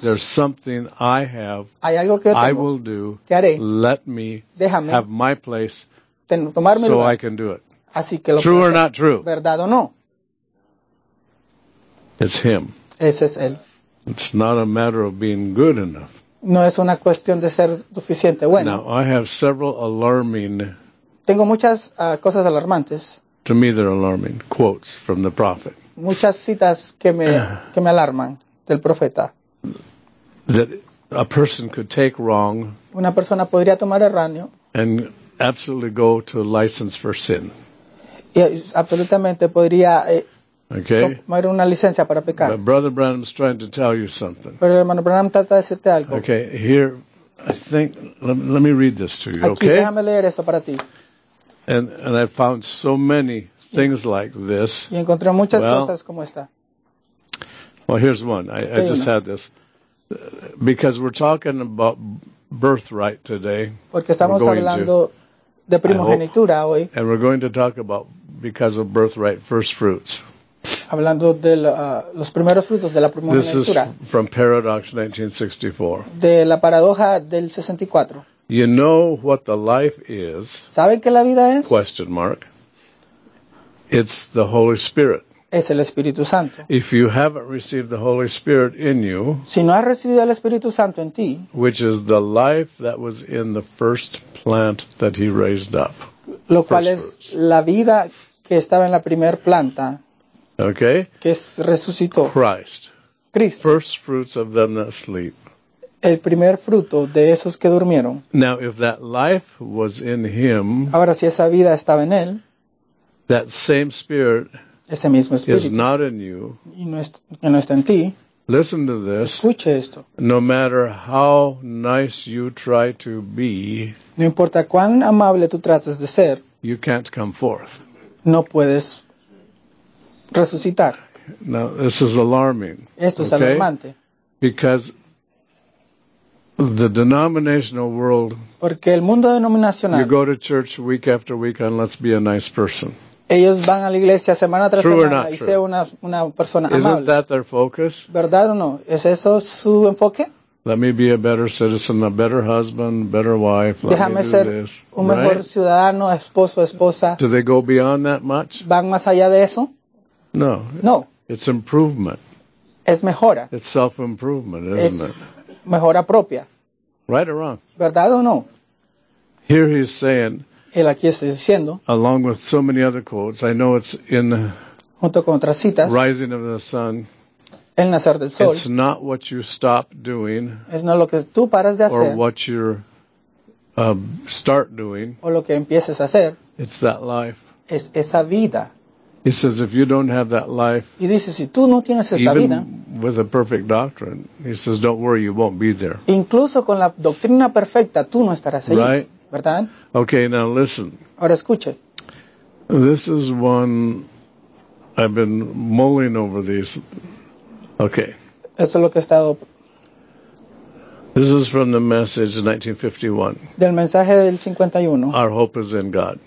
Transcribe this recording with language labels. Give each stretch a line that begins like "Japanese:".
English: There's something I have.
Spanish: Hay algo que yo tengo.
English: I will do.
Spanish: ¿Qué haré?
English: Let me
Spanish: Déjame.
English: Have my place.
Spanish: Tomar mi
English: so
Spanish: lugar.
English: I can do it.
Spanish: Así que lo
English: true or not true.
Spanish: ¿Verdad o no?
English: It's him.
Spanish: Ese es él.
English: It's not a matter of being good enough.
Spanish: No es una cuestión de ser suficiente bueno.
English: Now, I have several alarming
Spanish: Tengo muchas cosas alarmantes.
English: To me, they're alarming. Quotes from the prophet.
Spanish: Muchas citas que me alarman del profeta.
English: That a person could take wrong.
Spanish: Una persona podría tomar erróneo.
English: And absolutely go to license for sin.
Spanish: Y absolutamente podría
English: okay.
Spanish: tomar una licencia para pecar.
English: But Brother Branham's trying to tell you something.
Spanish: Pero el hermano Branham trata de decirte algo.
English: Okay, here, I think, let me read this to you,
Spanish: Aquí,
English: okay?
Spanish: Déjame leer esto para ti.
English: And I found so many things like this.
Spanish: Y encontré muchas cosas como esta.
English: Well, here's one. I just
Spanish: una.
English: Had this. Because we're talking about birthright today.
Spanish: Porque estamos hablando
English: to,
Spanish: de primogenitura
English: hope,
Spanish: hoy.
English: And we're going to talk about because of birthright first fruits.
Spanish: Hablando de los primeros frutos de la primogenitura.
English: This is from Paradox 1964.
Spanish: De la paradoja del 64.
English: You know what the life is?
Spanish: ¿Saben qué la vida es?
English: Question mark. It's the Holy Spirit.
Spanish: Es el Espíritu Santo.
English: If you haven't received the Holy Spirit in you,
Spanish: si no has recibido el Espíritu Santo en ti,
English: which is the life that was in the first plant that he raised up.
Spanish: Lo cual es la vida que estaba en la primer planta.
English: Okay?
Spanish: Que resucitó.
English: Christ.
Spanish: Cristo.
English: First fruits of them that sleep.
Spanish: El primer fruto de esos que durmieron.
English: Now, if that life was in him,
Spanish: ahora, si esa vida estaba en él,
English: that same spirit
Spanish: ese mismo espíritu
English: is not in you,
Spanish: y no está en ti,
English: Listen to this.
Spanish: Escuche esto.
English: No matter how nice you try to be,
Spanish: no importa cuán amable tú trates de ser,
English: you can't come forth.
Spanish: No puedes resucitar.
English: Now, this is alarming.
Spanish: Esto es alarmante.
English: Because the denominational world,
Spanish: porque el mundo denominacional,
English: you go to church week after week and let's be a nice person.
Spanish: Ellos van a la iglesia semana tras semana y sea una persona amable.
English: Isn't that their focus?
Spanish: ¿Verdad o no? ¿Es eso su enfoque?
English: Let me be a better citizen, a better husband, better wife.
Spanish: Déjame me ser
English: this,
Spanish: un mejor
English: right?
Spanish: ciudadano, esposo, esposa.
English: Do they go beyond that much?
Spanish: ¿Van más allá de eso?
English: No.
Spanish: No.
English: It's improvement.
Spanish: Es mejora.
English: It's self-improvement, isn't
Spanish: es mejora propia.
English: Right or wrong?
Spanish: ¿Verdad o no?
English: Here he's saying,
Spanish: él aquí está diciendo,
English: along with so many other quotes, I know it's in
Spanish: junto con otras citas,
English: Rising of the Sun,
Spanish: El Nacer del Sol,
English: it's not what you stop doing,
Spanish: es no lo que tú paras de hacer,
English: or what you start doing,
Spanish: o lo que empieces a hacer,
English: it's that life,
Spanish: es esa vida.
English: He says, if you don't have that life,
Spanish: y dice, si tú no tienes esa
English: even
Spanish: vida,
English: with a perfect doctrine, he says, don't worry, you won't be there.
Spanish: Incluso con la doctrina perfecta, tú no estarás allí.
English: Right?
Spanish: ¿Verdad?
English: Okay, now listen.
Spanish: Ahora escuche.
English: This is one I've been mulling over these. Okay.
Spanish: Esto es lo que he estado.
English: This is from the message in 1951.
Spanish: Del mensaje del 51.
English: Our hope is in God.